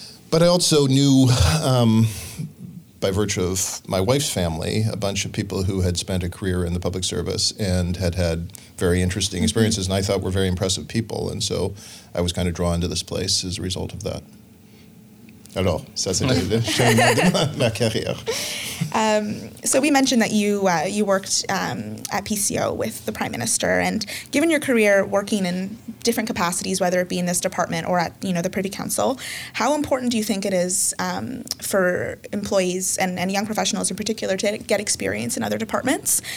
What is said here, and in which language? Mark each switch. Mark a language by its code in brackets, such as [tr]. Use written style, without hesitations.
[en] But I also knew, by virtue of my wife's family, a bunch of people who had spent a career in the public service and had had very interesting experiences and I thought were very impressive people. And so I was kind of drawn to this place as a result of that. [fr] Alors, ça c'est le chemin de ma carrière. [en] So we mentioned that you you worked at PCO with the Prime Minister, and given your career working in different capacities, whether it be in this department or at, you know, the Privy Council, how important do you think it is for employees and young professionals in particular to get experience in other departments?